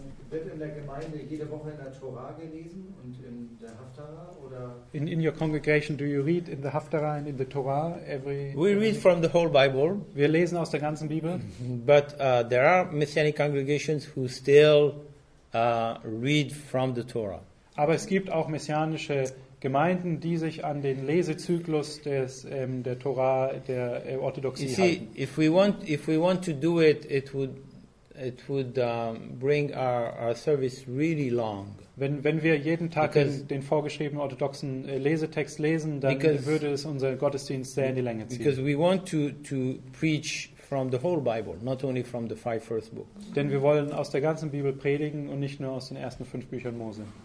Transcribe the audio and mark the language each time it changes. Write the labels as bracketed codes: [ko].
[de] Wird in der Gemeinde jede Woche in der Torah gelesen und in der Haftarah oder? [en] In your congregation, do you read in the Haftarah and in the Torah every? We read from the whole Bible. [de] Wir lesen aus der ganzen Bibel. [en] But there are Messianic congregations who still read from the Torah. [de] Aber es gibt auch messianische Gemeinden, die sich an den Lesezyklus der Torah, der Orthodoxie halten. [en] You see, if we want to do it, it would bring our service really long. [de] Wenn wir jeden Tag den vorgeschriebenen orthodoxen Lesetext lesen, dann würde es unseren Gottesdienst sehr in die Länge ziehen. [en] Because we want to preach from the whole Bible, not only from the five first books. [de] Denn wir wollen aus der ganzen Bibel predigen und nicht nur aus den ersten fünf Büchern Mose.